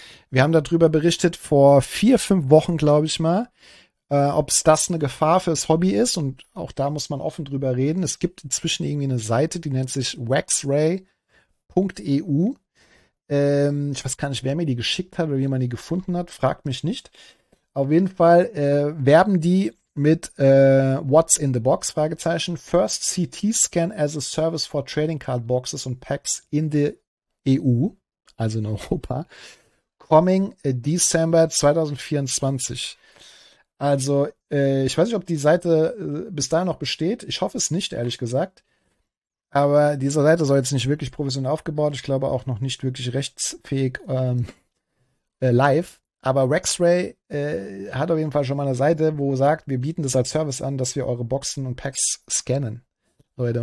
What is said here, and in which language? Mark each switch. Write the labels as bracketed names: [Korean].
[German] Wir haben darüber berichtet vor 4-5 Wochen, glaube ich mal, ob es das eine Gefahr fürs Hobby ist und auch da muss man offen drüber reden. Es gibt inzwischen irgendwie eine Seite, die nennt sich waxray.eu. Ich weiß gar nicht, wer mir die geschickt hat oder wie man die gefunden hat, fragt mich nicht. Auf jeden Fall werben die mit [English] What's in the Box? [German] Fragezeichen. [English] First CT Scan as a Service for Trading Card Boxes and Packs in the EU, [German] also in Europa, [English] coming December 2024. [German] Also, ich weiß nicht, ob die Seite bis dahin noch besteht. Ich hoffe es nicht, ehrlich gesagt. Aber diese Seite soll jetzt nicht wirklich professionell aufgebaut. Ich glaube auch noch nicht wirklich rechtsfähig live. Aber Waxray hat auf jeden Fall schon mal eine Seite, wo sagt, wir bieten das als Service an, dass wir eure Boxen und Packs scannen, Leute.